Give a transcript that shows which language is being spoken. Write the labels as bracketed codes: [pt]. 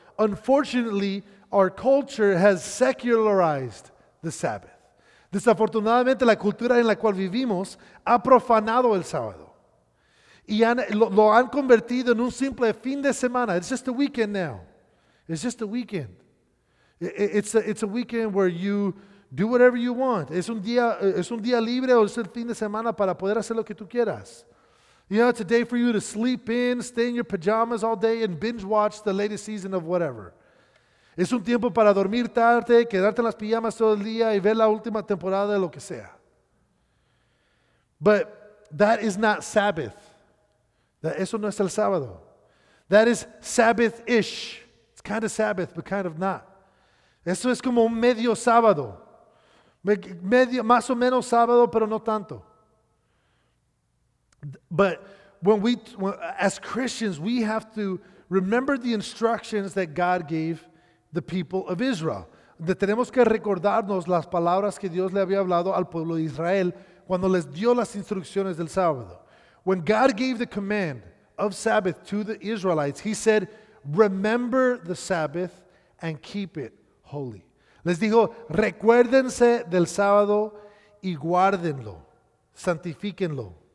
[en] Unfortunately, our culture has secularized the Sabbath. [es] Desafortunadamente, la cultura en la cual vivimos ha profanado el sábado. Y lo han convertido en un simple fin de semana. [en] It's just a weekend now. It's just a weekend. It's a weekend where you do whatever you want. [es] Es un día libre o es el fin de semana para poder hacer lo que tú quieras. [en] You know, it's a day for you to sleep in, stay in your pajamas all day and binge watch the latest season of whatever. [es] Es un tiempo para dormir tarde, quedarte en las pijamas todo el día y ver la última temporada de lo que sea. [en] But that is not Sabbath. [es] Eso no es el sábado. [en] That is Sabbath-ish. It's kind of Sabbath, but kind of not. [es] Eso es como un medio sábado. Medio, más o menos sábado, pero no tanto. [en] But when we, as Christians, we have to remember the instructions that God gave the people of Israel. [es] Tenemos que recordarnos las palabras que Dios le había hablado al pueblo de Israel cuando les dio las instrucciones del sábado. [en] When God gave the command of Sabbath to the Israelites, he said, remember the Sabbath and keep it holy. [es] Les dijo, recuérdense del sábado y guárdenlo, santifíquenlo.